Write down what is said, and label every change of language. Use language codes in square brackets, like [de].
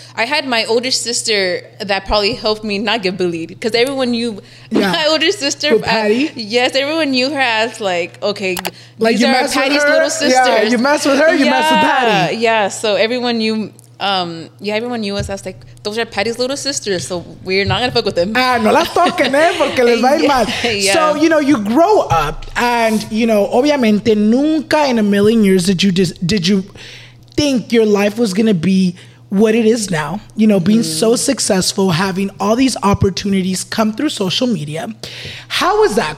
[en] I had my older sister that probably helped me not get bullied, because everyone knew my older sister. Patty? Yes, everyone knew her as like, okay, like, these are Patty's little sisters. Yeah, you mess with her, you mess with Patty. Yeah, so everyone knew. Yeah, everyone knew us as like, those are Patty's little sisters, so we're not gonna fuck with them. [es] Ah, no las toquen, porque les va a ir mal. [en] Yeah. So, you know, you grow up, and, you know, obviamente, nunca in a million years did you think your life was gonna be what it is now, you know, being so successful, having all these opportunities come through social media. How was that?